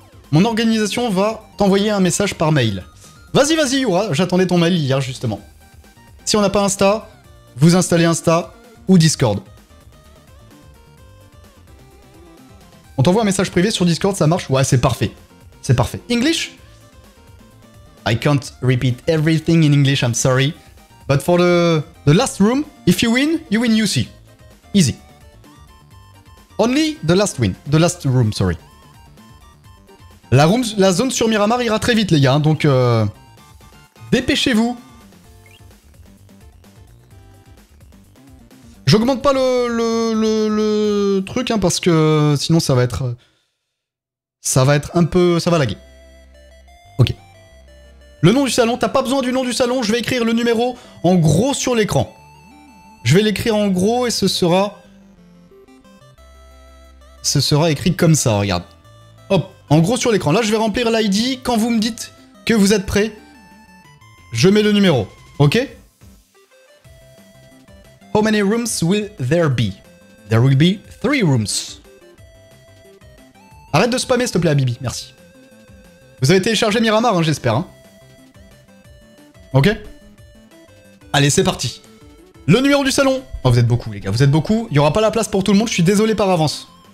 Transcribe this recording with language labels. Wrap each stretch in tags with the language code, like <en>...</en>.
<fr>Mon organisation va t'envoyer un message par mail. Vas-y, vas-y, Youra, j'attendais ton mail hier, justement. Si on n'a pas Insta, vous installez Insta ou Discord. On t'envoie un message privé sur Discord, ça marche? Ouais, c'est parfait. C'est parfait. English?</fr> <en>I can't repeat everything in English, I'm sorry. But for the last room, if you win UC. Easy. Only the last win. The last room, sorry.</en> <fr>La zone sur Miramar ira très vite, les gars. Donc, dépêchez-vous. J'augmente pas le truc, hein, parce que sinon, ça va être un peu... Ça va laguer. Ok. Le nom du salon. T'as pas besoin du nom du salon. Je vais écrire le numéro en gros sur l'écran. Je vais l'écrire en gros et ce sera écrit comme ça, regarde. Hop, en gros sur l'écran. Là, je vais remplir l'ID. Quand vous me dites que vous êtes prêt, je mets le numéro. Ok?</fr> <en>How many rooms will there be? There will be 3 rooms.</en> <fr>Arrête de spammer, s'il te plaît, Habibi. Merci. Vous avez téléchargé Miramar, hein, j'espère. Hein. Ok? Allez, c'est parti. Le numéro du salon. Oh, vous êtes beaucoup, les gars. Vous êtes beaucoup. Il n'y aura pas la place pour tout le monde. Je suis désolé par avance.</fr>